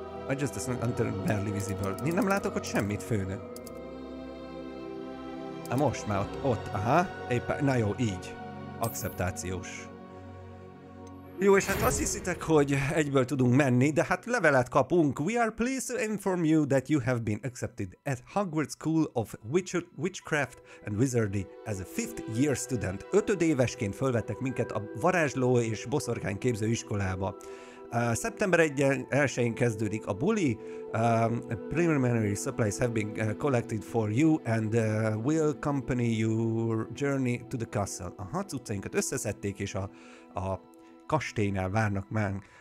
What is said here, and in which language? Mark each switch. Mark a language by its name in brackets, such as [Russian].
[English] I just until barely visible. [Hungarian] Én nem látok ott semmit, főnök. Na most már ott. Aha. Éppen. Na jó, így. Akceptációs. Jó, és hát azt hiszitek, hogy egyből tudunk menni, de hát levelet kapunk. [English] We are pleased to inform you that you have been accepted at Hogwarts School of Witchcraft and Wizardry as a fifth year student. [Hungarian] Ötödévesként felvettek minket a Varázsló és Boszorkány képzőiskolába. September 1-én kezdődik a buli. [English] Preliminary supplies have been collected for you and will accompany your journey to the castle. [Hungarian] A hacucainkat összeszedték, és a kastélynál várnak már.